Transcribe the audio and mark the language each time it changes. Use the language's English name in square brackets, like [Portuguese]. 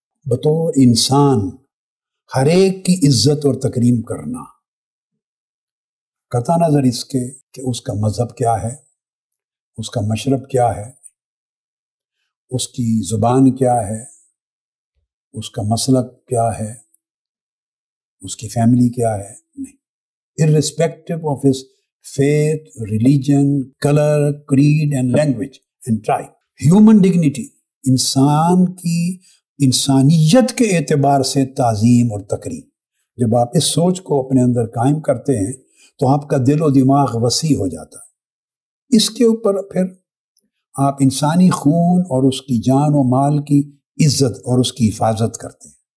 [Urdu] بطور انسان ہر ایک کی عزت اور تکریم کرنا قطع نظر اس کے کہ اس کا مذہب کیا ہے, اس کا مشرب کیا ہے, اس کی زبان کیا ہے, اس کا مسلک کیا ہے, اس کی فیملی کیا ہے, نہیں. [English] Irrespective of his faith, religion, color, creed and language and tribe. Human dignity, [Urdu] انسان کی انسانیت کے اعتبار سے تعظیم اور تکریم. جب آپ اس سوچ کو اپنے اندر قائم کرتے ہیں تو آپ کا دل و دماغ وسیع ہو جاتا ہے. اس کے اوپر پھر آپ انسانی خون اور اس کی جان و مال کی عزت اور اس کی حفاظت کرتے ہیں.